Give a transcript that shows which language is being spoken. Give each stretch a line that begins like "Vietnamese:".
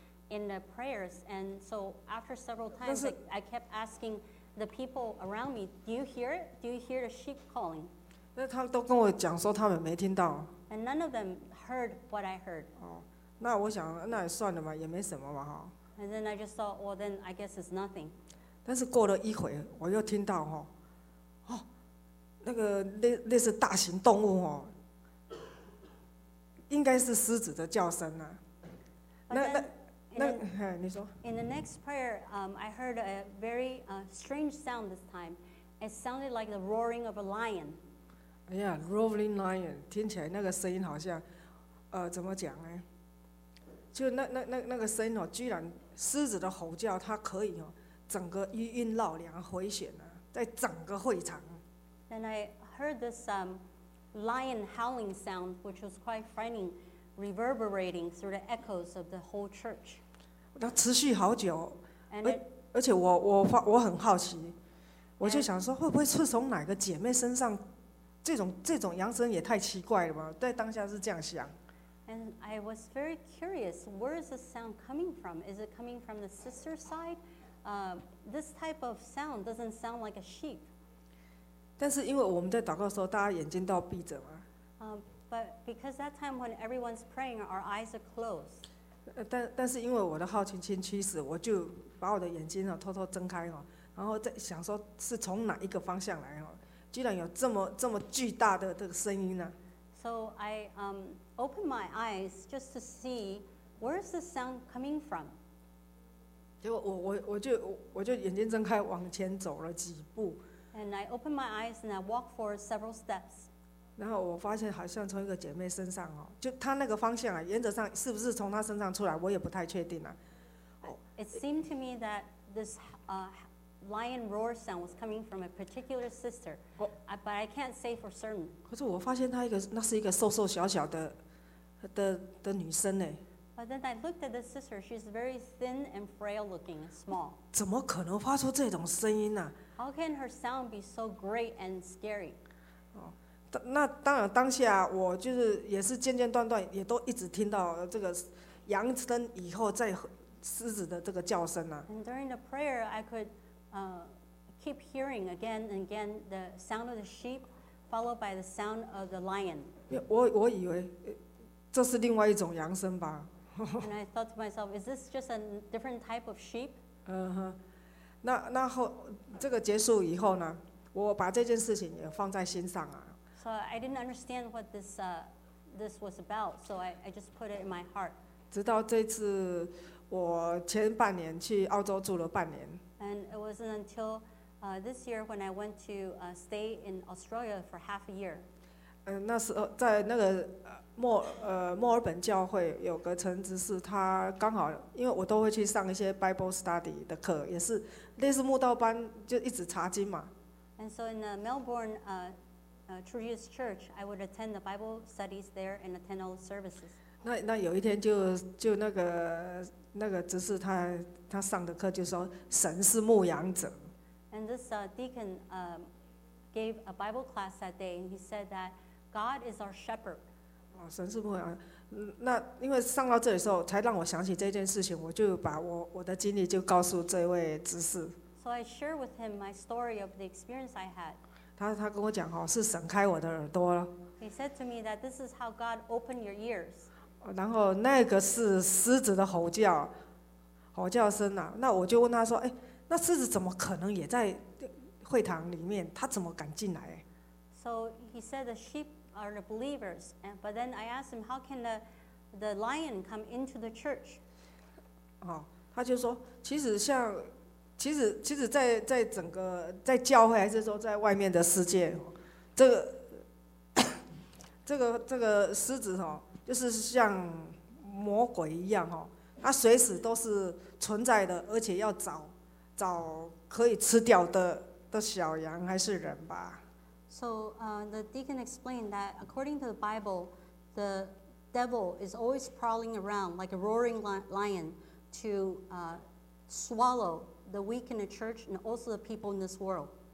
English: In the prayers, and so after several times, I kept asking the people around me, "Do you hear it? Do you hear the sheep calling?"
Chinese: 那他都跟我讲说他们没听到。
English: And none of them heard what I heard. 哦，
Chinese: 那我想那也算了嘛，也没什么嘛哈。
English: And then I just thought, well, then I guess it's nothing.
Chinese: 但是过了一会，我又听到哈，哦，那个类似大型动物哦，应该是狮子的叫声啊。那。
English: In the next prayer, I heard a very strange sound this time. It sounded like the roaring of a lion. Yeah, roaring lion.
Chinese: 听起来那个声音好像，怎么讲呢？就那个声音哦，居然狮子的吼叫，它可以哦，整个余音绕梁回旋啊，在整个会场。
English: Then I heard this lion howling sound, which was quite frightening. Reverberating through the echoes of the whole church.
Chinese: 那持续好久，而且我很好奇，我就想说会不会是从哪个姐妹身上，这种扬声也太奇怪了吧？在当下是这样想。
English: And I was very curious, where is the sound coming from? Is it coming from the sister's side? This type of sound doesn't sound like a sheep.
Chinese: 但是因为我们在祷告的时候，大家眼睛都要闭着嘛。
English: But because that time when everyone's praying, our eyes are closed.
Chinese: 但是因为我的好奇心驱使，我就把我的眼睛偷偷睁开然后在想说是从哪一个方向来居然有这么巨大的这个声音呢
English: ？So I opened my eyes just to see where's the sound coming from.
Chinese: 结果我就眼睛睁开往前走了几步。
English: And I opened my eyes and I walked for several steps.
Chinese: 然后我发现好像从一个姐妹身上哦，就她那个方向啊，原则上是不是从她身上出来，我也不太确定啊。
English: It seemed to me that this lion roar sound was coming from a particular sister, but I can't say for certain.
Chinese: 可是我发现她那是一个瘦瘦小小的女生呢。
English: But then I looked at the sister. She's very thin and frail looking, small.
Chinese: 怎么可能发出这种声音呢
English: ？How can her sound be so great and scary?
Chinese: 那当然，当下我就是也是间间断断，也都一直听到这个羊声以后再狮子的这个叫声呐。
English: And during the prayer, I could keep hearing again and again the sound of the sheep, followed by the sound of the lion.
Chinese: 我以为这是另外一种羊声吧。
English: And I thought to myself, is this just a different type of sheep?
Chinese: 那后这个结束以后呢，我把这件事情也放在心上啊。
English: So I didn't understand what this was about, so I just put it in my heart.
Chinese: 直到这次我前半年去澳洲住了半年。
English: And it wasn't until this year when I went to stay in Australia for half a year.
Chinese: 那时候在那个墨尔本教会有个陈执事，他刚好因为我都会去上一些 Bible study 的课，也是类似慕道班，就一直查经嘛。
English: And so in the Melbourne True Jesus Church, I would attend the Bible studies there and attend all services.
Chinese: 那有一天就那个执事他上的课就说神是牧羊者。
English: And this deacon gave a Bible class that day, and he said that God is our shepherd.
Chinese: 神是牧羊。那因为上到这里的时候，才让我想起这件事情，我就把我的经历就告诉这位执事。
English: So I shared with him my story of the experience I had.
Chinese: 他跟我讲哦，是神开我的耳朵。
English: He said to me that this is how God opened your ears.
Chinese: 然后那个是狮子的吼叫声啊。那我就问他说，哎，那狮子怎么可能也在会堂里面？他怎么敢进来？
English: So he said the sheep are the believers, but then I asked him how can the lion come into the church?
Chinese: 哦，他就说，其实像。其实在整个在教会还是说在外面的世界，这个狮子哦，就是像魔鬼一样哦，它随时都是存在的，而且要找可以吃掉的小羊还是人吧。
English: So, the deacon explained that according to the Bible, the devil is always prowling around like a roaring lion to swallow the weak in the church and also the people in this world.